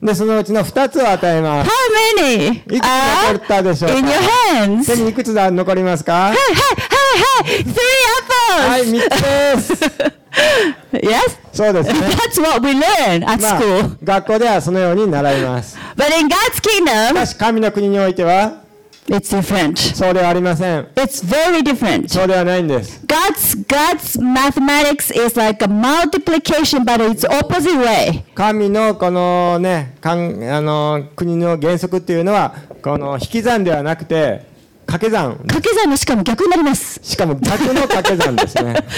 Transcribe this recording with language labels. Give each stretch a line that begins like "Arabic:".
Japanese: で、そのうちの2つを与えます。
English: How many?
Japanese: いくつ残ったでしょうか。
English: In your hands.
Japanese: 手にいくつ残りますか。
English: Hey, hey, hey, hey! Three apples!
Japanese: はい、3つです。
English: Yes?
Japanese: そうですね。
English: That's what we learn at school.
Japanese: 学校ではそのように習います。
English: But in God's kingdom,
Japanese: しかし神の国においては、
English: It's different.
Japanese: そうではありません。
English: It's very different.
Japanese: そうではないんです。
English: God's mathematics is like a multiplication, but it's opposite way.
Japanese: 神のこのね、国の原則っていうのは、この引き算ではなくて、掛け算。掛け算のしかも逆になります。しかも逆の掛け算ですね。